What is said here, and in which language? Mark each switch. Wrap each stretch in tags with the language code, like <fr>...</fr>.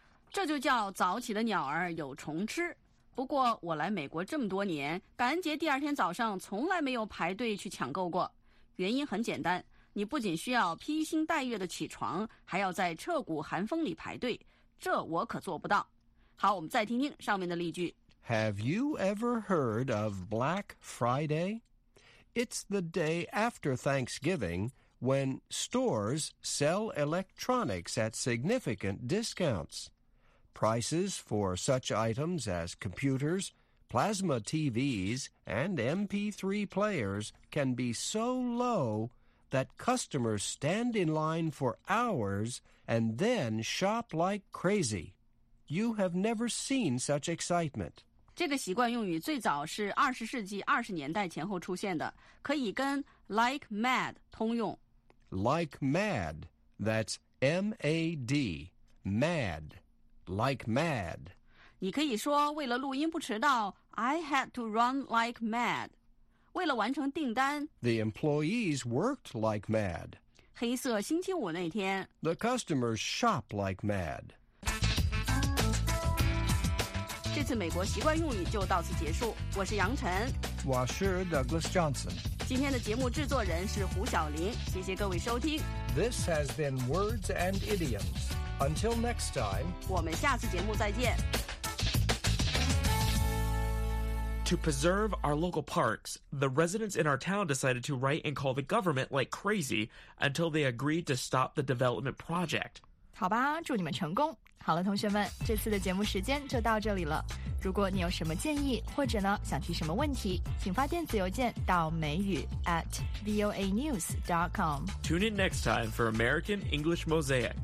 <zh>这就叫早起的鸟儿有虫吃。不过我来美国这么多年，感恩节第二天早上从来没有排队去抢购过。原因很简单，你不仅需要披星戴月的起床，还要在彻骨寒风里排队，这我可做不到。好，我们再听听上面的例句。</zh> <en>Have you ever heard of Black Friday? It's the day after Thanksgiving when stores sell electronics at significant discounts. Prices for such items as computers, plasma TVs, and MP3 players can be so low that customers stand in line for hours and then shop like crazy. You have never seen such excitement.</en> <zh>这个习惯用语最早是20世纪20年代前后出现的，可以跟 like mad 通用。</zh> <en>Like mad, that's M-A-D, mad. Like mad.</en> <zh>你可以说为了录音不迟到</zh> <en>I had to run like mad.</en> <zh>为了完成订单</zh> <en>The employees worked like mad.</en> <zh>黑色星期五那天</zh> <en>The customers shop like mad.</en> <zh>这次美国习惯用语就到此结束。我是杨晨。我是 Douglas Johnson. 今天的节目制作人是胡晓林。谢谢各位收听。</zh> <en>This has been Words and Idioms. Until next time,</en> <zh>我们下次节目再见。</zh> <en>To preserve our local parks, the residents in our town decided to write and call the government like crazy until they agreed to stop the development project.</en> <zh>好吧，祝你们成功。好了，同学们，这次的节目时间就到这里了。如果你有什么建议，或者呢想提什么问题，请发电子邮件到美语@voanews.com.</zh> <en>Tune in next time for American English Mosaic.</en>